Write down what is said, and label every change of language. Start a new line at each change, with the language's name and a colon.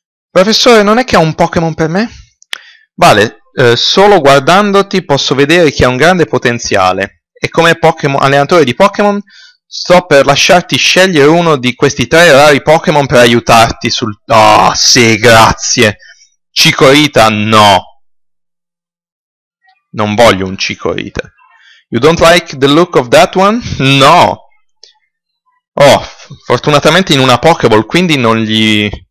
Italian: Professore, non è che ha un Pokémon per me? Vale, solo guardandoti posso vedere che ha un grande potenziale. E come Pokémon, allenatore di Pokémon... Sto per lasciarti scegliere uno di questi tre rari Pokémon per aiutarti sul... Oh, sì, grazie. Chikorita, no. Non voglio un Chikorita.
English: You don't like the look of that one?
Italian: No. Oh, fortunatamente in una Pokéball, quindi non gli...